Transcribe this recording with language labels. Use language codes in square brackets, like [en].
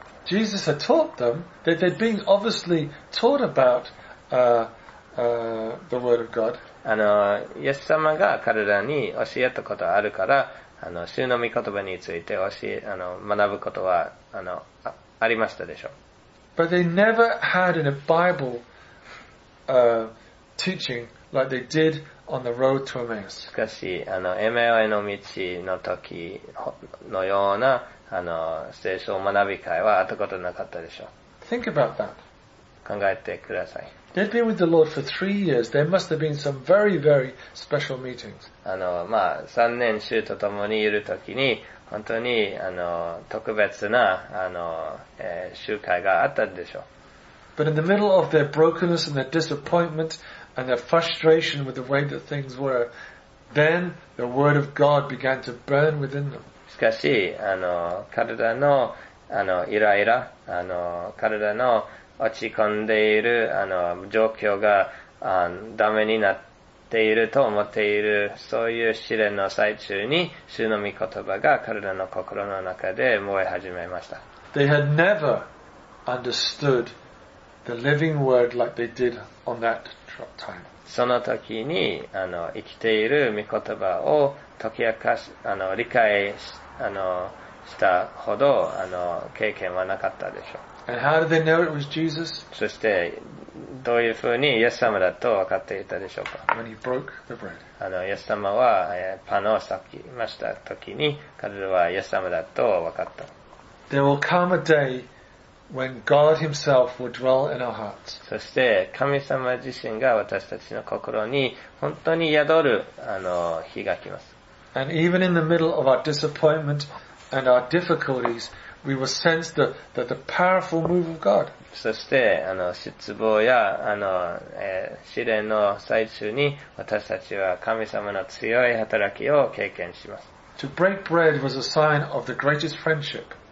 [en] Jesus had taught them that they'd been obviously taught about, the Word of God. [ja] イエス様が彼らに教えたことあるから、主の御言葉について教え、学ぶことは、ありましたでしょう。 [en] But they never had in a Bible, teaching like they did on the road to Emmaus. [ja] しかし、エマウへの道の時のような、聖書学び会はあったことなかったでしょう。 [en] Think about that. [ja] 考えてください。 [en] They'd been with the Lord for 3 years. There must have been some very, very special meetings. [ja] 三年主と共にいるときに、本当に、特別な、集会があったでしょう。 [en] But in the middle of their brokenness and their disappointment and their frustration with the way that things were, then the Word of God began to burn within them. [ja] しかし、彼らの、イライラ、彼らの落ち込んでいる状況がダメになっていると思っているそういう試練の最中に主の御言葉が彼らの心の中で燃え始めました。 [en] They had never understood the living word like they did on that time. [ja] その時に生きている御言葉を解き明かし理解 したほど経験はなかったでしょう。 [en] And how did they know it was Jesus? [ja] そしてどういうふうにイエス様だと分かっていたでしょうか。 [en] When he broke the bread. [ja] イエス様はパンを裂きました時に彼らはイエス様だと分かった。 [en] There will come a day when God himself will dwell in our hearts. [ja] そして神様自身が私たちの心に本当に宿る日が来ます。 [en] And even in the middle of our disappointment and our difficulties,We will sense that the powerful move of God. [ja] そして失望や試練の最中に私たちは神様の強い働きを経験します。 [en] To break bread was a sign of the greatest friendship.